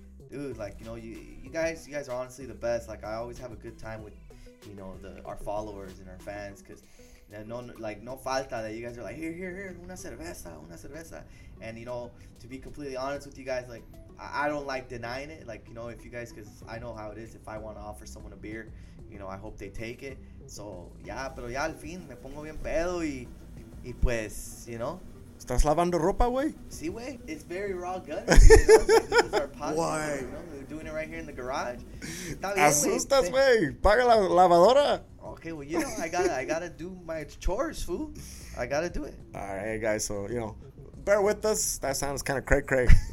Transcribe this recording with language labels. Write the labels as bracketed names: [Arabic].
[English] Dude, like, you know, you guys are honestly the best. Like, I always have a good time with, you know, our followers and our fans, because [Spanish] no falta [English] that you guys are like, here, [Spanish] una cerveza. [English] And, you know, to be completely honest with you guys, like, I don't like denying it. Like, you know, if you guys, because I know how it is, if I want to offer someone a beer, you know, I hope they take it. So, yeah, [Spanish] pero ya al fin me pongo bien pedo y pues, [English] you know. [Spanish] ¿Estás lavando ropa, güey? Sí, güey. [English] It's very raw gutter. This is our podcast. Why? We're doing it right here in the garage. [Spanish] ¿Asustas, güey? Paga la lavadora. [English] Okay, well, you know, I gotta do my chores, fool. I gotta do it. All right, guys, so, you know, bear with us. That sounds kind of cray-cray.